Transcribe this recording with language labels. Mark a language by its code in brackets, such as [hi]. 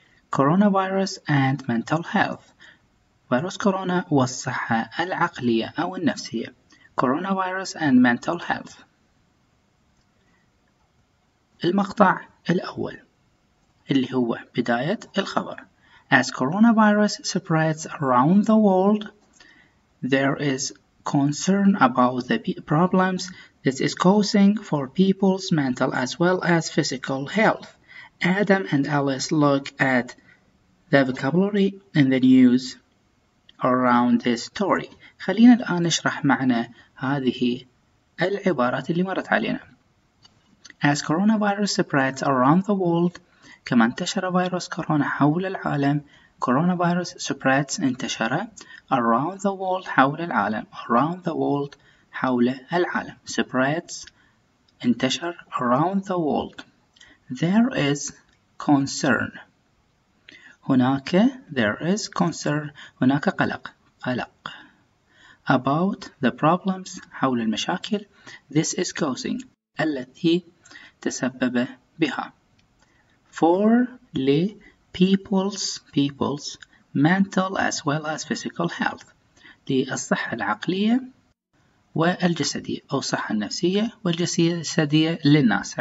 [en] Coronavirus and Mental Health. [ar] فيروس كورونا والصحة العقلية أو النفسية. [en] Coronavirus and Mental Health. [ar] المقطع الأول اللي هو بداية الخبر. [en] As coronavirus spreads around the world, there is concern about the problems this is causing for people's mental as well as physical health. Adam and Alice look at the vocabulary in the news around this story. [ar] خلينا الآن نشرح معنى هذه العبارات اللي مرت علينا. [en] As coronavirus spreads around the world, [ar] كما انتشر فيروس كورونا حول العالم. [en] Coronavirus spreads [ar] انتشر [en] around the world [ar] حول العالم. [en] Around the world [ar] حول العالم. [en] Spreads انتشر around the world. There is concern. [ar] هناك [en] there is concern [ar] هناك قلق. قلق. [en] About the problems [ar] حول المشاكل. [en] This is causing [ar] التي تسبب بها. [en] For the people's mental as well as physical health. [ar] للصحة العقلية والجسدية أو الصحة النفسية والجسدية للناس.